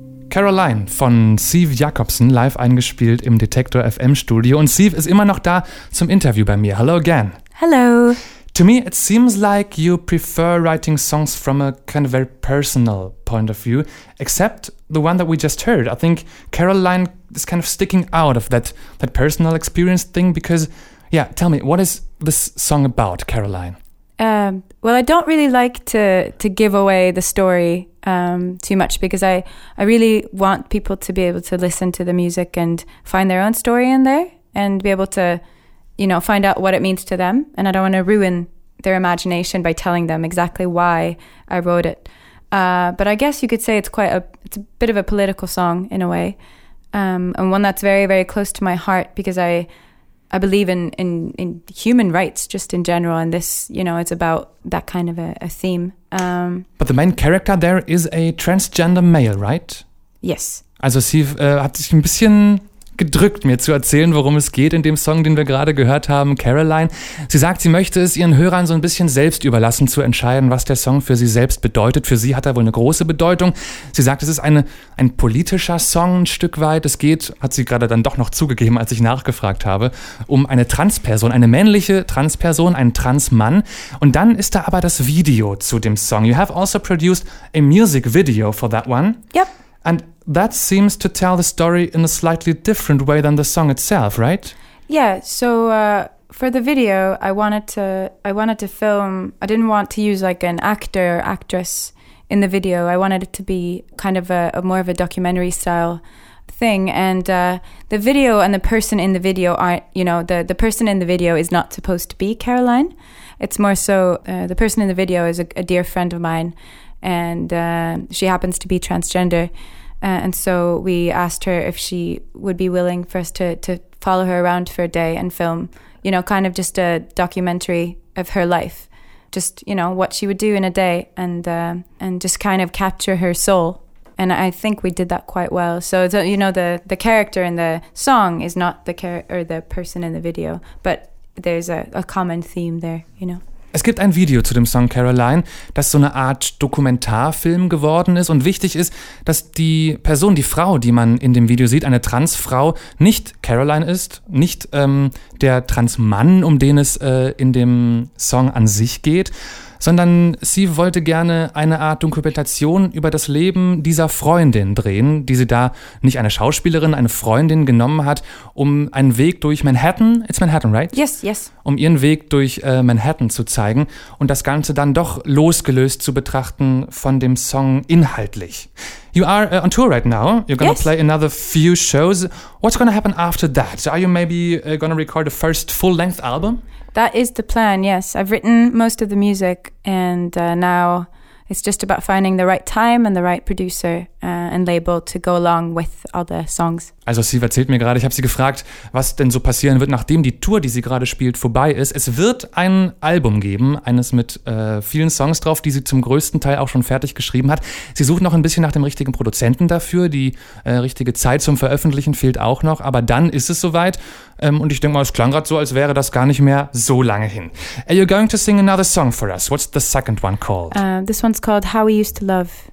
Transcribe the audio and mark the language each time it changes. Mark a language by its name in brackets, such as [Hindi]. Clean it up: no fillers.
[German] Caroline von Steve Jacobsen, live eingespielt im Detektor FM Studio. Und Steve ist immer noch da zum Interview bei mir. [English] Hello again. Hello. To me, it seems like you prefer writing songs from a kind of very personal point of view, except the one that we just heard. I think Caroline is kind of sticking out of that personal experience thing because, yeah, tell me, what is this song about, Caroline? Well, I don't really like to give away the story too much because I really want people to be able to listen to the music and find their own story in there and be able to, you know, find out what it means to them. And I don't want to ruin their imagination by telling them exactly why I wrote it. But I guess you could say it's a bit of a political song in a way, and one that's very, very close to my heart because I believe in human rights just in general, and this, you know, it's about that kind of a theme. But the main character there is a transgender male, right? Yes. [German] Also sie hat sich ein bisschen gedrückt, mir zu erzählen, worum es geht in dem Song, den wir gerade gehört haben, Caroline. Sie sagt, sie möchte es ihren Hörern so ein bisschen selbst überlassen, zu entscheiden, was der Song für sie selbst bedeutet. Für sie hat er wohl eine große Bedeutung. Sie sagt, es ist ein politischer Song ein Stück weit. Es geht, hat sie gerade dann doch noch zugegeben, als ich nachgefragt habe, um eine Transperson, eine männliche Transperson, einen Transmann. Und dann ist da aber das Video zu dem Song. [English] You have also produced a music video for that one. Yep. And that seems to tell the story in a slightly different way than the song itself, right? Yeah, so for the video, I wanted to film, I didn't want to use like an actor or actress in the video. I wanted it to be kind of a more of a documentary style thing. And the video and the person in the video aren't, you know, the person in the video is not supposed to be Caroline. It's more so the person in the video is a dear friend of mine. And she happens to be transgender. And so we asked her if she would be willing for us to follow her around for a day and film, you know, kind of just a documentary of her life. Just, you know, what she would do in a day and just kind of capture her soul. And I think we did that quite well. So, you know, the character in the song is not the person in the video, but there's a common theme there, you know. [German] Es gibt ein Video zu dem Song Caroline, das so eine Art Dokumentarfilm geworden ist. Und wichtig ist, dass die Person, die Frau, die man in dem Video sieht, eine Transfrau, nicht Caroline ist, nicht der Transmann, um den es in dem Song an sich geht, sondern sie wollte gerne eine Art Dokumentation über das Leben dieser Freundin drehen, die sie da nicht eine Schauspielerin, eine Freundin genommen hat, um einen Weg durch Manhattan, [English] it's Manhattan, right? Yes, yes. [German] Um ihren Weg durch Manhattan zu zeigen und das Ganze dann doch losgelöst zu betrachten von dem Song inhaltlich. [English] You are on tour right now. You're going to play another few shows. What's going to happen after that? Are you maybe going to record a first full-length album? That is the plan, yes. I've written most of the music, and now it's just about finding the right time and the right producer and label to go along with all the songs. [German] Also, Siv erzählt mir gerade, ich habe sie gefragt, was denn so passieren wird, nachdem die Tour, die sie gerade spielt, vorbei ist. Es wird ein Album geben, eines mit vielen Songs drauf, die sie zum größten Teil auch schon fertig geschrieben hat. Sie sucht noch ein bisschen nach dem richtigen Produzenten dafür. Die richtige Zeit zum Veröffentlichen fehlt auch noch, aber dann ist es soweit. Und ich denke mal, es klang gerade so, als wäre das gar nicht mehr so lange hin. [English] Are you going to sing another song for us? What's the second one called? This one's called How We Used to Love.